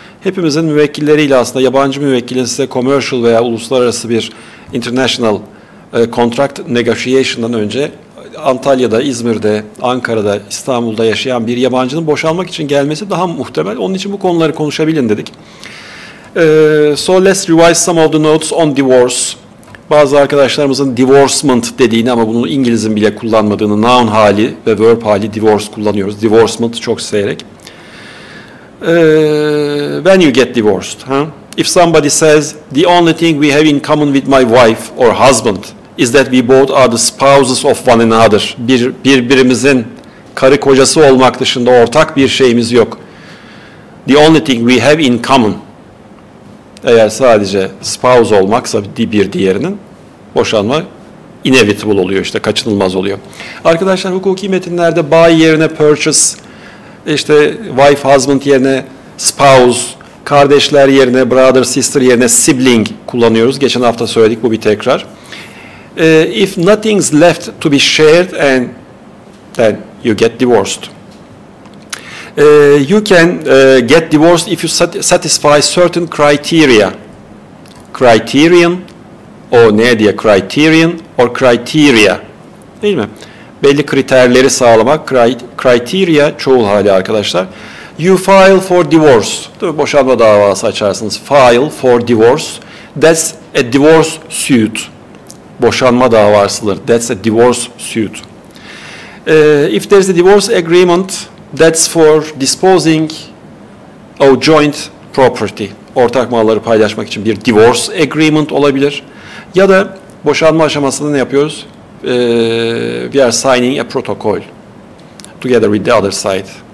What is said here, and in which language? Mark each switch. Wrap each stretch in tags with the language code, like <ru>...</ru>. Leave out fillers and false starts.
<tr>Hepimizin müvekkilleriyle, aslında yabancı müvekkilin size commercial veya uluslararası bir international contract negotiation'dan önce Antalya'da, İzmir'de, Ankara'da, İstanbul'da yaşayan bir yabancının boşanmak için gelmesi daha muhtemel. Onun için bu konuları konuşabilin dedik.</tr> <en>So let's revise some of the notes on divorce.</en> <tr>Bazı arkadaşlarımızın divorcement dediğini ama bunu İngiliz'in bile kullanmadığını, noun hali ve verb hali divorce kullanıyoruz.</tr> <en>Divorcement</en> <tr>çok severek.</tr> <en>When you get divorced, huh? If somebody says the only thing we have in common with my wife or husband is that we both are the spouses of one another.</en> <tr>Birbirimizin karı kocası olmak dışında ortak bir şeyimiz yok.</tr> <en>The only thing we have in common.</en> <tr>Eğer sadece spouse olmaksa bir diğerinin, boşanma inevitable oluyor, işte kaçınılmaz oluyor. Arkadaşlar, hukuki metinlerde buy yerine purchase, işte wife husband yerine spouse, kardeşler yerine brother sister yerine sibling kullanıyoruz. Geçen hafta söyledik, bu bir tekrar.</tr> <en>If nothing's left to be shared and then you get divorced. You can get divorced if you satisfy certain criteria.</en> <tr>Criterion, o ne diye,</tr> <en>criterion or criteria.</en> <tr>Değil mi? Belli kriterleri sağlamak, criteria çoğul hali arkadaşlar.</tr> <en>You file for divorce.</en> <tr>Değil mi? Boşanma davası açarsınız.</tr> <en>File for divorce. That's a divorce suit.</en> <tr>Boşanma davasıdır.</tr> <en>That's a divorce suit. If there's a divorce agreement, that's for disposing of joint property.</en> <tr>Ortak malları paylaşmak için bir divorce agreement olabilir. Ya da boşanma aşamasında ne yapıyoruz?</tr> <en>We are signing a protocol together with the other side.</en>